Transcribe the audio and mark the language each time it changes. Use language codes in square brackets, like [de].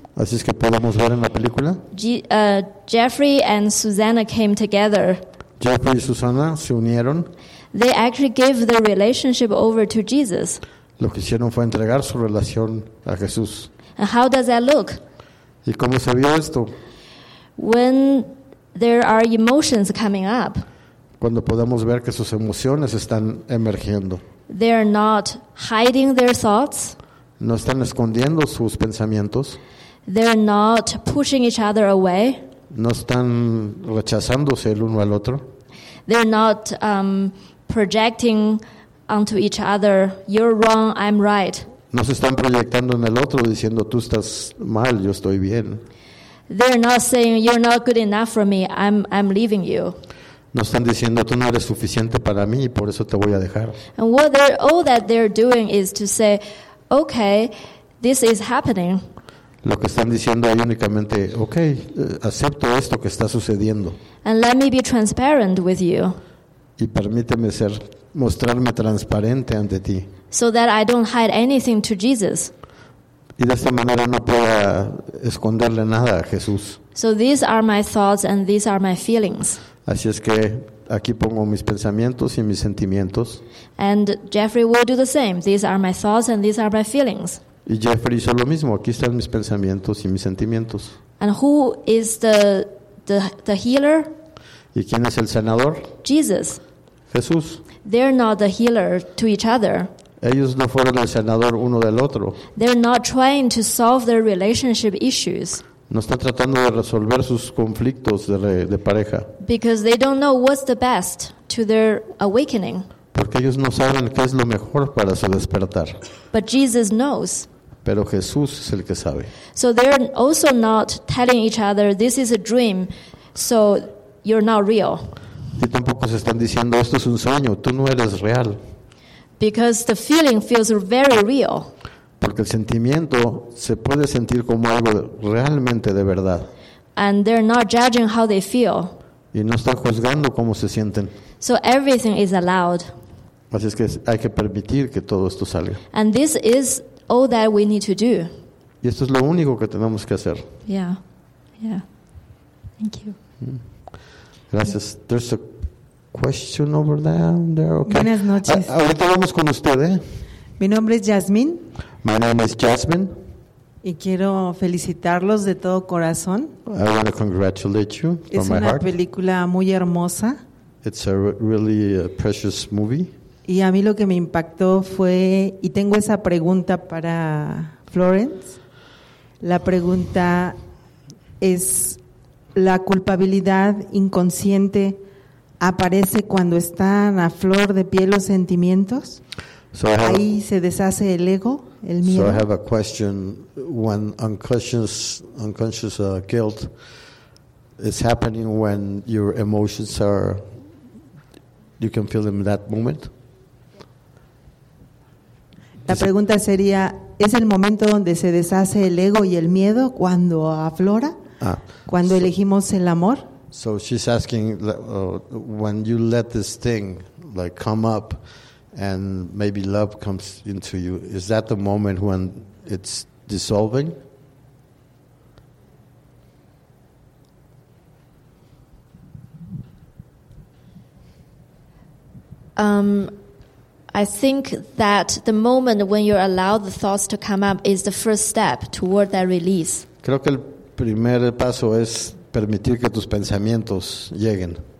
[es] Así es que podemos ver en la película. [en] Jeffrey and Susanna came together. [es] Jeffrey y Susanna se unieron. [en] They actually gave the relationship over to Jesus. [es] Lo que hicieron fue entregar su relación a Jesús. [en] And how does that look? [es] ¿Y cómo se vio esto? [en] When there are emotions coming up. [es] Cuando podemos ver que sus emociones están emergiendo. [en] They are not hiding their thoughts. [es] No están escondiendo sus pensamientos. [en] They are not pushing each other away. [es] No están rechazándose el uno al otro. [en] They are not projecting onto each other, you're wrong, I'm right. [es] No se están proyectando en el otro diciendo tú estás mal, yo estoy bien. [en] They're not saying you're not good enough for me, I'm leaving you. [es] No están diciendo tú no eres suficiente para mí y por eso te voy a dejar. [en] And what they're all that they're doing is to say, okay, this is happening. [es] Lo que están diciendo ahí únicamente, okay, acepto esto que está sucediendo. [en] And let me be transparent with you. [es] Y permíteme ser, mostrarme transparente ante ti. [en] So that I don't hide anything to Jesus. [es] Y de esta manera no pueda esconderle nada a Jesús. [en] So these are my thoughts and these are my feelings. [es] Así es que aquí pongo mis pensamientos y mis sentimientos. [en] And Jeffrey will do the same. These are my thoughts and these are my feelings. [es] Y Jeffrey hizo lo mismo. Aquí están mis pensamientos y mis sentimientos. [en] And who is the healer? [es] ¿Y quién es el sanador? [en] Jesus. [es] Jesús. [en] They're not the healer to each other. [es] Ellos no fueron el sanador uno del otro. [en] They're not trying to solve their relationship issues. [es] No están tratando de resolver sus conflictos de pareja. [en] Because they don't know what's the best to their awakening. [es] Porque ellos no saben qué es lo mejor para su despertar. [en] But Jesus knows. [es] Pero Jesús es el que sabe. [en] So they're also not telling each other this is a dream, so you're not real. [es] Y tampoco se están diciendo esto es un sueño, tú no eres real. [en] Because the feeling feels very real. [es] Porque el sentimiento se puede sentir como algo realmente de verdad. [en] And they're not judging how they feel. [es] Y no están juzgando cómo se sienten. [en] So everything is allowed. [es] Así es que hay que permitir que todo esto salga. [en] And this is all that we need to do. [es] Y esto es lo único que tenemos que hacer. [en] Yeah. Yeah. Thank you. [es] Gracias. [en] There's a question over there. Okay. [es] Buenas noches. Ahorita vamos con usted, ¿eh? Mi nombre es Jasmine. [en] My name is Jasmine. [es] Y quiero felicitarlos de todo corazón. [en] I want to congratulate you from my heart. [es] Es una película muy hermosa. [en] It's a really a precious movie. [es] Y a mí lo que me impactó fue, y tengo esa pregunta para Florence. La pregunta es, ¿la culpabilidad inconsciente aparece cuando están a flor de piel los sentimientos? [en] So [es] ahí se deshace el ego, el miedo. [en] So I have a question. When unconscious guilt is happening, when your emotions are, you can feel them in that moment? [es] La pregunta sería, ¿es el momento donde se deshace el ego y el miedo cuando aflora? Cuando elegimos el amor. [en] So she's asking, when you let this thing like come up and maybe love comes into you, is that the moment when it's dissolving? I think that the moment when you allow the thoughts to come up is the first step toward that release. [es] Creo que el primer paso es permitir que tus pensamientos lleguen.